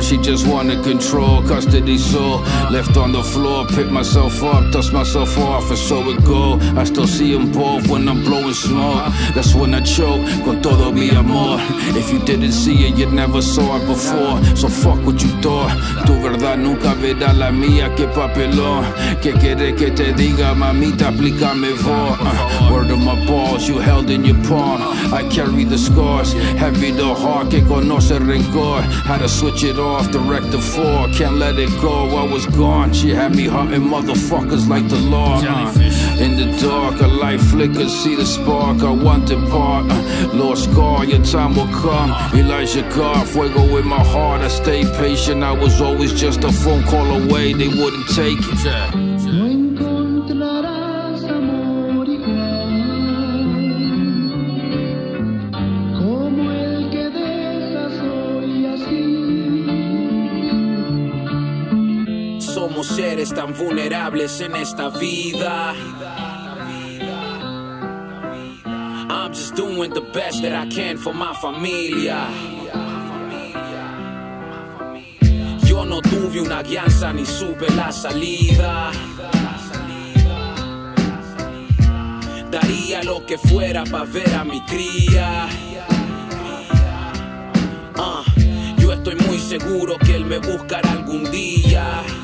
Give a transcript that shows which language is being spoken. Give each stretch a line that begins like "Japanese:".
English: She just wanted control, custody so. Left on the floor, picked myself up, dust myself off, and so it go. I still see them both when I'm blowing smoke. That's when I choke,
Spanish: con todo mi amor.
English: If you didn't see it, you never saw it before. So fuck what you thought.
Spanish: Tu verdad nunca verá la mía, que papelón. Que quiere que te diga, mamita, aplícame vos.
English: Word of my balls, you held in your palm. I carry the scars. Heavy the heart,
Spanish: que conoce rencor.
English: Had to switch it off, direct the four. Can't let it go, I was gone. She had me hurting motherfuckers like the law. In the dark, a light flicker, see the spark. I want to part, Lord Scar, your time will come. Elijah God,
Spanish: fuego
English: in my heart. I stay patient, I was always just a phone call away. They wouldn't take it.
Spanish: Seres tan vulnerables en esta vida.
English: I'm just doing the best that I can for my familia.
Spanish: Yo no tuve una guianza ni supe la salida. Daría lo que fuera pa' ver a mi cría. Yo estoy muy seguro que él me buscará algún día.